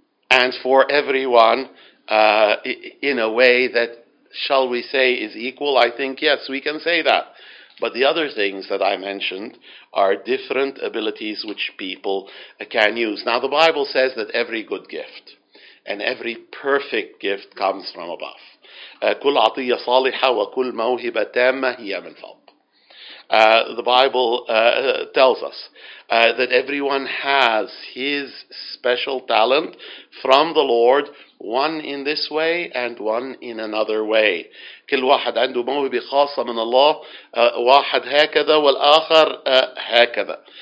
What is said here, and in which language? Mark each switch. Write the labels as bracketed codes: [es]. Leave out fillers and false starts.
[en] And for everyone, in a way that, shall we say, is equal, I think, yes, we can say that. But the other things that I mentioned are different abilities which people can use. Now, the Bible says that every good gift and every perfect gift comes from above. [ar] كل عطية صالحة وكل موهبة تامة هي من فوق. [en] The Bible tells us that everyone has his special talent from the Lord, one in this way and one in another way. [ar] كل واحد عنده موهبة خاصة من الله. واحد هكذا والآخر هكذا.